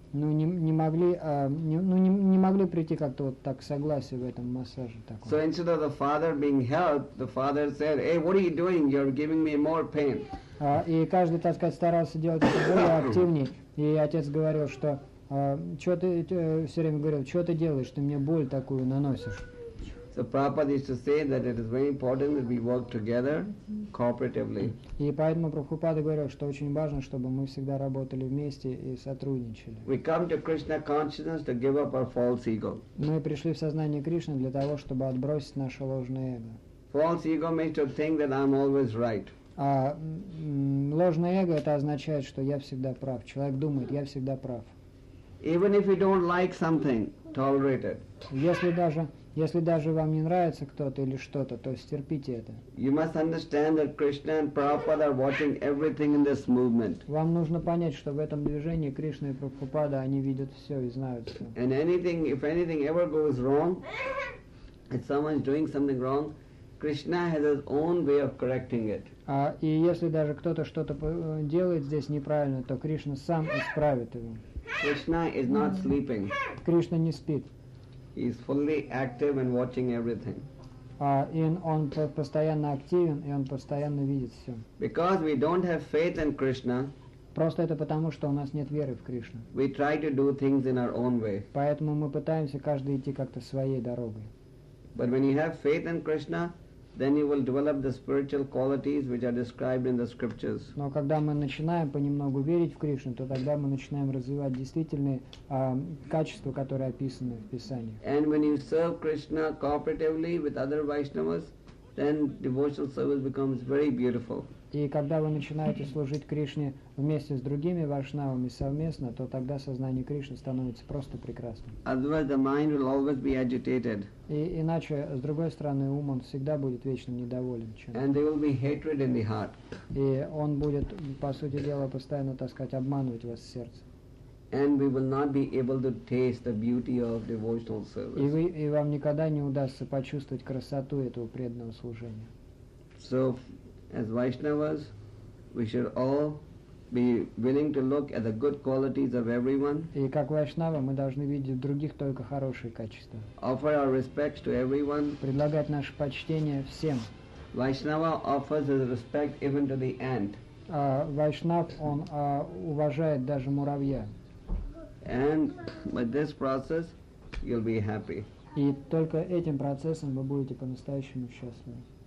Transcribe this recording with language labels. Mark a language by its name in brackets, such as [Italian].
[Russian] И они не могли прийти как-то вот так к согласию в этом массаже таком. [English] So instead of the father being helped, the father said, "Hey, what are you doing? You're giving me more pain." [Russian] И каждый, так сказать, старался делать это более активнее. И отец говорил, что что ты делаешь, ты мне боль такую наносишь. [English] So Prabhupada used to say that it is very important that we work together, cooperatively. [Russian] И поэтому Прабхупада говорил, что очень важно, чтобы мы всегда работали вместе и сотрудничали. [English] We come to Krishna consciousness to give up our false ego. [Russian] Мы пришли в сознание Кришны для того, чтобы отбросить наше ложное эго. [English] False ego means to think that I'm always right. [Russian] А ложное эго — это означает, что я всегда прав. Человек думает, я всегда прав. [English] Even if you don't like something, tolerate it. [Russian] Если даже вам не нравится кто-то или что-то, то стерпите это. [English] You must understand that Krishna and Prabhupada are watching everything in this movement. [Russian] Вам нужно понять, что в этом движении Кришна и Прабхупада, они видят все и знают все. [English] And anything, if anything ever goes wrong, if someone's doing something wrong, Krishna has his own way of correcting it. [Russian] И если даже кто-то что-то делает здесь неправильно, то Кришна сам исправит его. [English] Krishna is not sleeping. [Russian] Кришна не спит. [English] He is fully active and watching everything. [Russian] Он постоянно активен, и он постоянно видит все. [English] Because we don't have faith in Krishna. [Russian] Просто это потому, что у нас нет веры в Кришну. [English] We try to do things in our own way. [Russian] Поэтому мы пытаемся каждый идти как-то своей дорогой. [English] But when you have faith in Krishna, then you will develop the spiritual qualities which are described in the scriptures. [Russian] Но когда мы начинаем понемногу верить в Кришну, то тогда мы начинаем развивать действительные качества, которые описаны в Писании. [English] And when you serve Krishna cooperatively with other Vaishnavas, then devotional service becomes very beautiful. [Russian] И когда вы начинаете служить Кришне вместе с другими вайшнавами совместно, то тогда сознание Кришны становится просто прекрасным. [English] Otherwise the mind will always be agitated. [Russian] И иначе, с другой стороны, ум, он всегда будет вечно недоволен чем-то. [English] And there will be hatred in the heart. [Russian] И он будет, по сути дела, постоянно, так сказать, обманывать вас в сердце. [English] And we will not be able to taste the beauty of devotional service. [Russian] И вам никогда не удастся почувствовать красоту этого преданного служения. [English] So, as Vaishnavas, we should all be willing to look at the good qualities of everyone. [Russian] И как вайшнавы, мы должны видеть в других только хорошие качества. [English] Offer our respects to everyone. [Russian] Предлагать наше почтение всем. [English] Vaishnava offers his respect even to the ant. [Russian] Вайшнав, он уважает даже муравья. [English] And with this process, you'll be happy. [Russian] И только этим процессом вы будете по-настоящему счастливы.